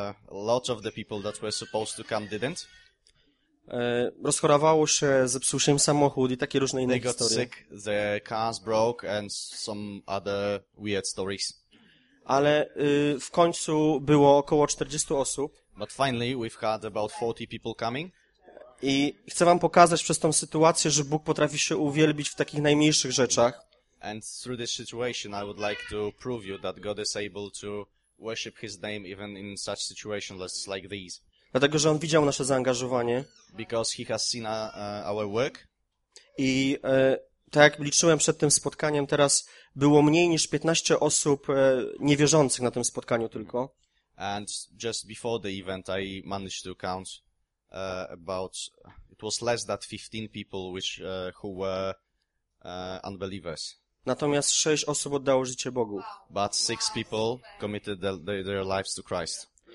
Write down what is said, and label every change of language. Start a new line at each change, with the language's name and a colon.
English: Lots of the people that were supposed to come didn't.
Polish: Rozchorowało się, zepsuł się im samochód i takie różne inne historie.
English: They got sick, the cars broke and some other weird stories.
Polish: Ale w końcu było około 40 osób.
English: But finally we've had about 40 people coming.
Polish: I chcę wam pokazać przez tą sytuację, że Bóg potrafi się uwielbić w takich najmniejszych rzeczach.
English: And through this situation I would like to prove you that God is able to worship his name even in such situations like these.
Polish: Dlatego, że on widział nasze zaangażowanie.
English: Because he has seen our work.
Polish: I tak jak liczyłem przed tym spotkaniem, teraz było mniej niż 15 osób niewierzących na tym spotkaniu tylko.
English: And just before the event I managed to count about it was less than 15 people which who were unbelievers.
Polish: Natomiast 6 osób oddało życie Bogu.
English: But 6 people committed their lives to Christ.